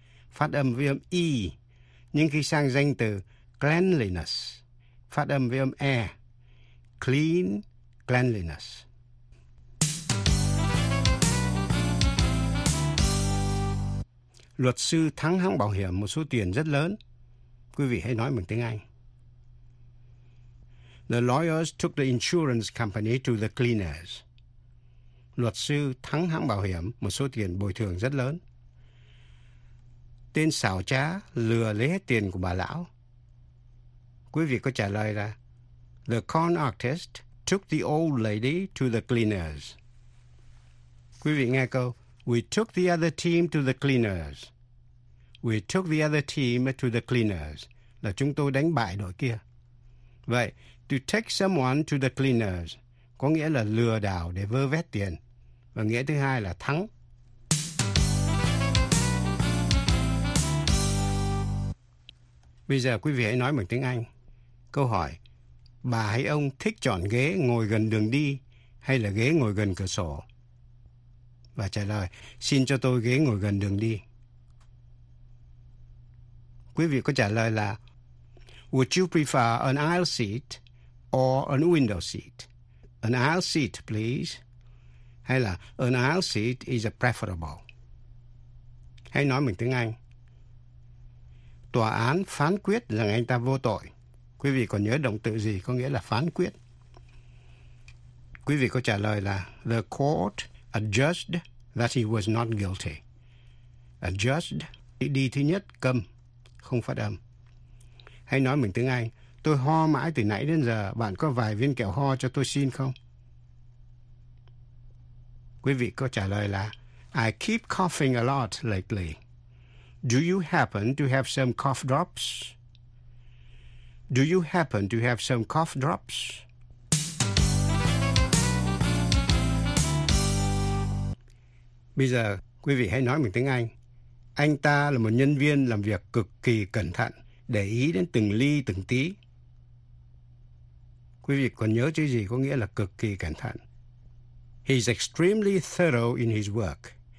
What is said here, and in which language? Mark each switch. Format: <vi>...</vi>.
<vi>Phát âm với âm E, nhưng khi sang danh từ cleanliness, phát âm với âm E.</vi> <en>Clean, cleanliness.</en> <vi>Luật sư thắng hãng bảo hiểm một số tiền rất lớn. Quý vị hãy nói bằng tiếng Anh.</vi> <en>The lawyers took the insurance company to the cleaners.</en> <vi>Luật sư thắng hãng bảo hiểm một số tiền bồi thường rất lớn. Tên xảo trá lừa lấy hết tiền của bà lão. Quý vị có trả lời là</vi> <en>the con artist took the old lady to the cleaners.</en> <vi>Quý vị nghe câu</vi> <en>we took the other team to the cleaners. We took the other team to the cleaners.</en> <vi>Là chúng tôi đánh bại đội kia. Vậy,</vi> <en>to take someone to the cleaners</en> <vi>có nghĩa là lừa đảo để vơ vét tiền. Và nghĩa thứ hai là thắng. Bây giờ quý vị hãy nói bằng tiếng Anh. Câu hỏi, bà hay ông thích chọn ghế ngồi gần đường đi hay là ghế ngồi gần cửa sổ? Và trả lời, xin cho tôi ghế ngồi gần đường đi. Quý vị có trả lời là</vi> <en>Would you prefer an aisle seat or an window seat? An aisle seat, please.</en> <vi>Hay là</vi> <en>an aisle seat is a preferable.</en> <vi>Hãy nói mình tiếng Anh. Tòa án phán quyết rằng anh ta vô tội. Quý vị còn nhớ động từ gì có nghĩa là phán quyết? Quý vị có trả lời là</vi> <en>The court adjudged that he was not guilty.</en> <vi>Adjudged, đi thứ nhất, câm, không phát âm. Hãy nói mình tiếng Anh. Tôi ho mãi từ nãy đến giờ. Bạn có vài viên kẹo ho cho tôi xin không? Quý vị có trả lời là</vi> <en>I keep coughing a lot lately. Do you happen to have some cough drops? Do you happen to have some cough drops?</en> <vi>Bây giờ, quý vị hãy nói bằng tiếng Anh. Anh ta là một nhân viên làm việc cực kỳ cẩn thận, để ý đến từng ly từng tí. Quý vị còn nhớ chữ gì có nghĩa là cực kỳ cẩn thận?</vi> <en>He's extremely thorough in his work.</en>